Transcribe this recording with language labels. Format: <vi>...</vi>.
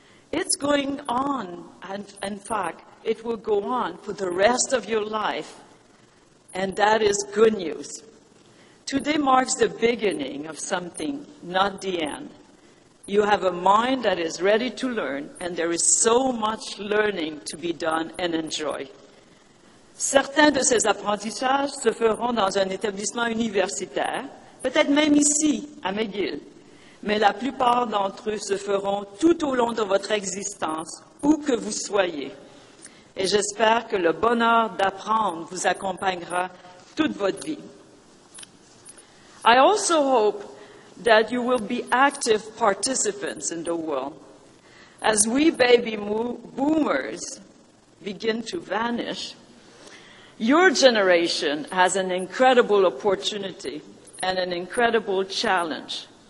<en>It's going on, and in fact, it will go on for the rest of your life, and that is good news. Today marks the beginning of something, not the end. You have a mind that is ready to learn, and there is so much learning to be done and enjoy.</en> <fr>Certains de ces apprentissages se feront dans un établissement universitaire, peut-être même ici, à McGill, mais la plupart d'entre eux se feront tout au long de votre existence, où que vous soyez. Et j'espère que le bonheur d'apprendre vous accompagnera toute votre vie.</fr> <en>I also hope that you will be active participants in the world. As we baby boomers begin to vanish, your generation has an incredible opportunity and an incredible challenge.</en>